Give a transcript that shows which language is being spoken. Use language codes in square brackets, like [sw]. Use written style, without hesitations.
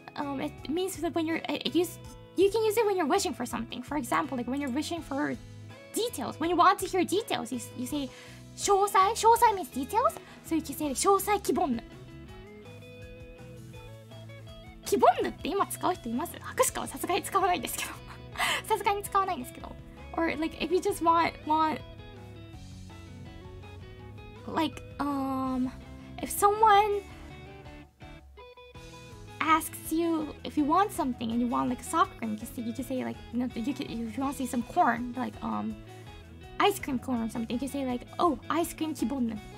[en] It means that when you can use it when you're wishing for something. For example, like when you're wishing for details. When you want to hear details, you say. 詳細詳細 means details? [ja] そういう規制で詳細キボンヌ。キボンヌって今使う人います？博士かはさすがに使わないんですけど。さすがに使わないんですけど。 [en] Or like if you just want like if someone asks you if you want something and you want like a soft drink, you can say like no, you can, if you want to see some corn, like ice cream cone or something, you say like, oh, ice cream kibonne.